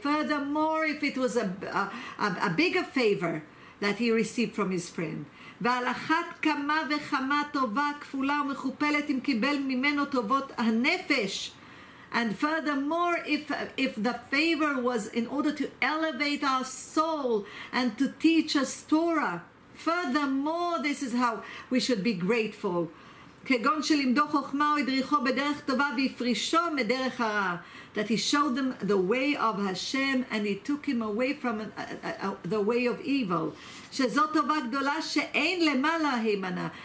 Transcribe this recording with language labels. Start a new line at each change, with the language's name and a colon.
English: Furthermore, if it was a bigger favor that he received from his friend,
Hebrew: ועל אחת כמה וכמה טובה כפולה ומכופלת אם קיבל ממנו טובות הנפש.
English: And furthermore, if the favor was in order to elevate our soul and to teach us Torah, furthermore, this is how we should be grateful.
Hebrew: כגון שלימדו חוכמה או ידריכו בדרך טובה ויפרישו מדרך הרע.
English: That he showed them the way of Hashem and he took him away from the way of evil.
Hebrew: שזאת טובה גדולה שאין למעלה הימנה.